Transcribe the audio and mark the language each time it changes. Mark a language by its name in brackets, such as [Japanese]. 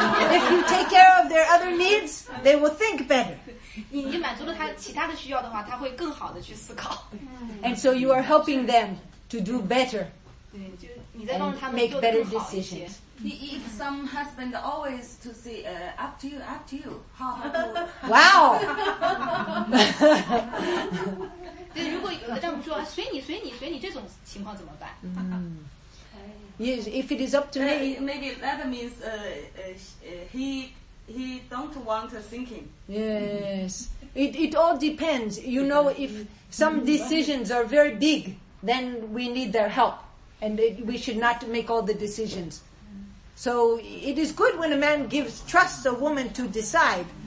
[English] If you take care of their other needs, they will think better. [Chinese] 你满足了他其他的需要的话，他会更好的去思考。 [English] And so you are helping them to do better. [Chinese] 对，就你在帮他们 [English] make better decisions. If some husband always to say, up to you, how to. Wow. [Chinese] 对，如果有的丈夫说随你随你随你，这种情况怎么办？ [English] Yes, if it is up to me. Maybe that means he don't want to thinking. Yes. It all depends. You know, if some decisions are very big, then we need their help. And we should not make all the decisions. So it is good when a man gives trust a woman to decide.